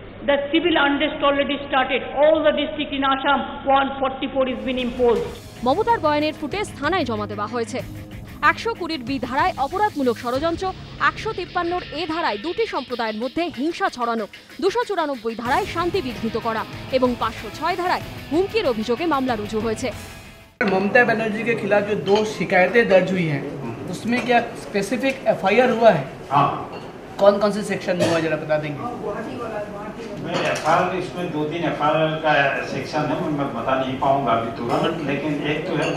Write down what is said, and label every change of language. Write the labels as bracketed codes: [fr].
[en] The civil unrest already started. All the district in Assam, 144 is been imposed. [bn] মমতার বয়ানের footage থানায় জমা দেওয়া হয়েছে। 120-এর বি ধারায় অপরাধমূলক ষড়যন্ত্র, 153-এর এ ধারায় দুটি সম্প্রদায়ের মধ্যে হিংসা ছড়ানো, 294 ধারায় শান্তি বিঘ্নিত করা এবং 506 ধারায় হুমকির অভিযোগে মামলা রুজু হয়েছে। [hi] মমতা ব্যানার্জিকে খিলাফ যে দো শিকায়তে দর্জ হুই হ্যায়, উসমে ক্যা স্পেসিফিক এফআইআর হুয়া হ্যায়? कौन कौन से सेक्शन में हुआ जरा बता देंगे? इसमें दो तीन एफआईआर का सेक्शन है, मैं बता नहीं पाऊंगा अभी तुरंत, लेकिन एक तो है